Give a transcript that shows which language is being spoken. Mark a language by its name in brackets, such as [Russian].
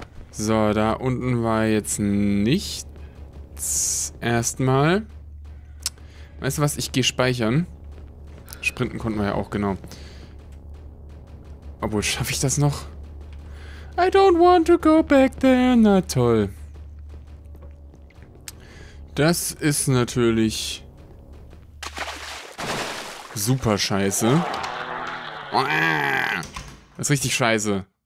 [German] So, da unten war jetzt nichts. Erstmal. Weißt du was? Ich gehe speichern. Sprinten konnten wir ja auch, genau. Obwohl, schaffe ich das noch? [English] I don't want to go back there. [German] Na toll. Das ist natürlich super scheiße. Das ist richtig scheiße.